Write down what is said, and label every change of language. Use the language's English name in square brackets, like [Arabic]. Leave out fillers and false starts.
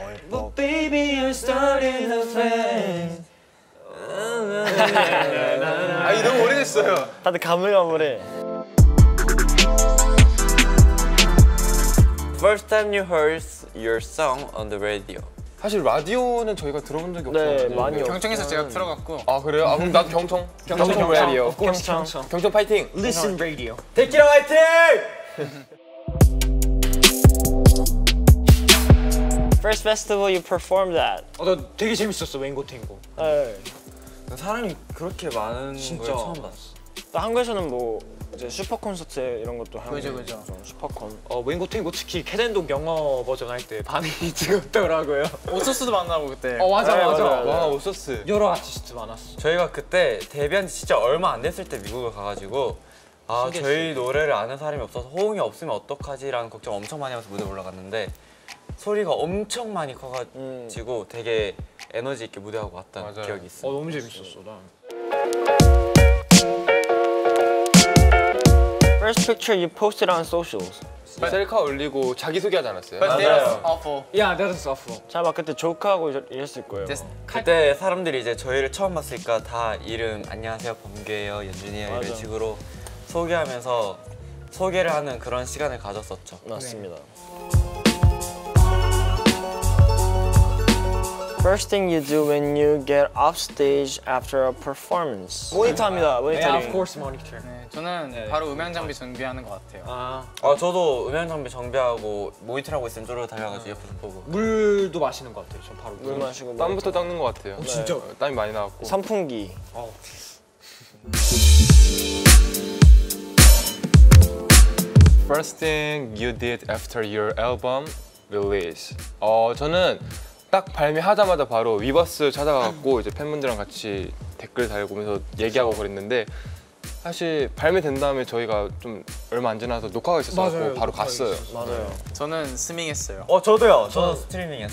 [English] But baby, you're starting to fade. [Korean] 아, 이 너무 오래됐어요. 다들 가물가물해. [English] First time you heard your song on the radio. [Korean] 사실 라디오는 저희가 들어본 적이 없어요. 네, 많이 경청에서 제가 틀어갖고. 아, 그래요? 아, 그럼 나도 경청. 경청 라디오. 경청. 경청 파이팅. [English] Listen radio. [Korean] 데키라 파이팅! [English] First festival you performed at. [Korean] 어, 나 되게 재밌었어, 윙고탱고. 네. 사람이 그렇게 많은 진짜. 걸 처음 봤어. 또 한국에서는 뭐 이제 슈퍼 콘서트 이런 것도 하는 거죠. 그죠, 그죠. 슈퍼 콘. 어, 윙고탱고 특히 캐덴동 영어 버전 할 때 반응이 뜨겁더라고요. 오소스도 만나고 그때. 어, 맞아, 네, 맞아. 와, 오소스. 여러 아티스트 많았어. 저희가 그때 데뷔한 지 진짜 얼마 안 됐을 때 미국을 가가지고 아, 저희 노래를 아는 사람이 없어서 호응이 없으면 어떡하지라는 걱정 엄청 많이 하면서 무대 올라갔는데 소리가 엄청 많이 커가지고 되게 에너지 있게 무대하고 왔던 맞아요. 기억이 있어. 어, 너무 재밌었어 나. [English] First picture you posted on socials. [Korean] 셀카 올리고 자기 소개하지 않았어요? [English] But that's awful. Yeah, that's awful. [Korean] 자, 막 그때 조크하고 이랬을 거예요. 그때 사람들이 이제 저희를 처음 봤으니까 다 이름 안녕하세요 범규예요 연준이요 이런 식으로 소개하면서 소개를 하는 그런 시간을 가졌었죠. 맞습니다. 네. [English] First thing you do when you get off stage after a performance? [Korean] 모니터입니다. 모니터. [English] Yeah, of course, monitor. 네, [Korean] 저는 네, 바로 음향 장비 정비하는 것 같아요. 아, 아 저도 음향 장비 정비하고 모니터하고 있으면 쪼르르 달려가지고 옆에서 보고. 물도 마시는 것 같아요. 저 바로 물 마시고. 땀부터 닦는 것 같아요. 오, 진짜. 네. 땀이 많이 나왔고. 선풍기. 어. [English] First thing you did after your album release? [Korean] 어, 저는. 딱 발매하자마자 바로 위버스 찾아가고 이제 팬분들이랑 같이 댓글 달고면서 얘기하고 그랬는데 사실 발매된 다음에 저희가 좀 얼마 안 지나서 녹화가 있어서 바로 갔어요. 맞아요. 저는 스밍했어요. 어 저도요. 저도 스트리밍했어요.